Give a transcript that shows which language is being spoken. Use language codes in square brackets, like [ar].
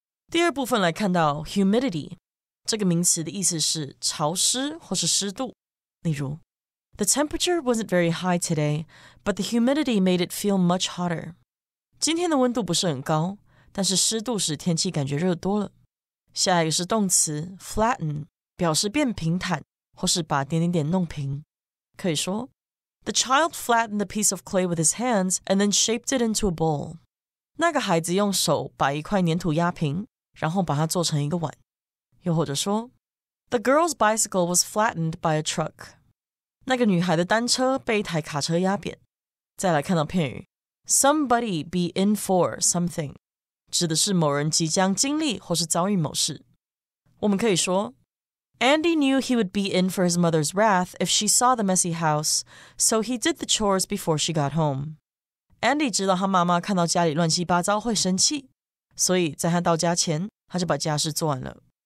[zh] 第二部分来看到 humidity 这个名词的意思是潮湿或是湿度。例如 [en] The temperature wasn't very high today, but the humidity made it feel much hotter. [zh] 今天的温度不是很高，但是湿度使天气感觉热多了。下一个是动词 flatten, 表示变平坦或是把点点点弄平。可以说 [en] The child flattened the piece of clay with his hands and then shaped it into a bowl. [zh] 那个孩子用手把一块粘土压平然后把它做成一个碗。又或者说 [en] The girl's bicycle was flattened by a truck. [zh] 那个女孩的单车被一台卡车压扁。再来看到片语 [en] Somebody be in for something [zh] 指的是某人即将经历或是遭遇某事。我们可以说 [en] Andy knew he would be in for his mother's wrath if she saw the messy house, so he did the chores before she got home. [zh] Andy 知道他妈妈看到家里乱七八糟会生气。所以在他到家前他就把家事做完了。